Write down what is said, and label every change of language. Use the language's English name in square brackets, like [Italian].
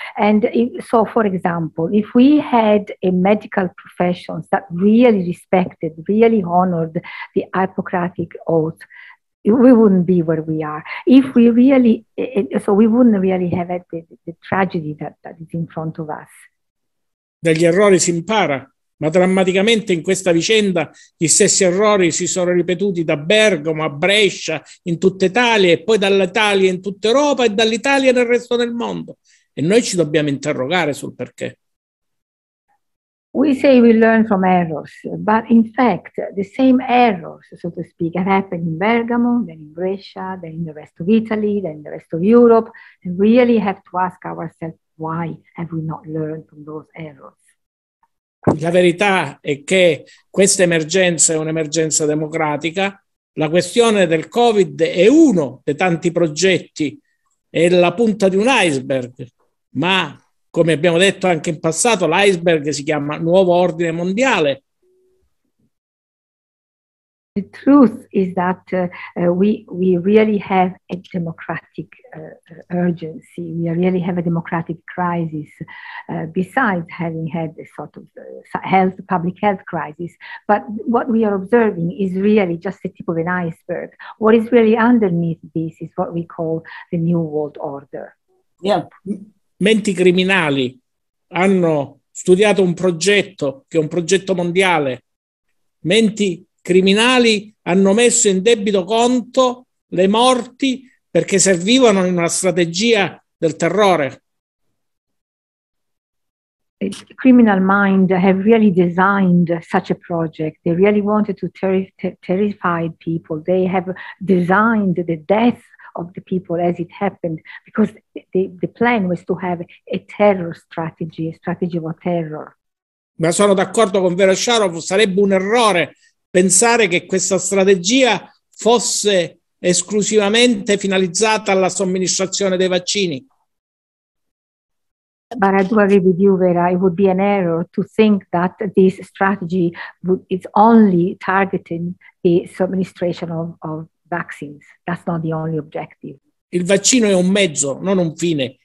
[English] And so, for example, if we had a medical profession that really respected, really honored the Hippocratic Oath, we wouldn't be where we are. If we really, so we wouldn't really have had the tragedy that is in front of us. [Italian] Dagli errori si impara. Ma drammaticamente in questa vicenda gli stessi errori si sono ripetuti da Bergamo a Brescia, in tutta Italia, e poi dall'Italia in tutta Europa e dall'Italia nel resto del mondo. E noi ci dobbiamo interrogare sul perché. [English] We say we learn from errors, but in fact the same errors, so to speak, have happened in Bergamo, then in Brescia, then in the rest of Italy, then in the rest of Europe. We really have to ask ourselves, why have we not learned from those errors? [Italian] La verità è che questa emergenza è un'emergenza democratica. La questione del Covid è uno dei tanti progetti, è la punta di un iceberg, ma come abbiamo detto anche in passato, l'iceberg si chiama Nuovo Ordine Mondiale. [English] The truth is that we really have a democratic urgency. We really have a democratic crisis, besides having had a sort of public health crisis. But what we are observing is really just the tip of an iceberg. What is really underneath this is what we call the New World Order. [Italian] menti criminali hanno studiato un progetto che è un progetto mondiale. Menti criminali hanno messo in debito conto le morti perché servivano in una strategia del terrore. [English] Criminal mind have really designed such a project. They really wanted to terrify people. They have designed the death of the people as it happened, because the plan was to have a terror strategy, a strategy of terror. [Italian] Ma sono d'accordo con Veresharov, sarebbe un errore pensare che questa strategia fosse esclusivamente finalizzata alla somministrazione dei vaccini. [English] But I do agree with you, Vera. It would be an error to think that this strategy is only targeting the administration of vaccines. That's not the only objective. [Italian] Il vaccino è un mezzo, non un fine.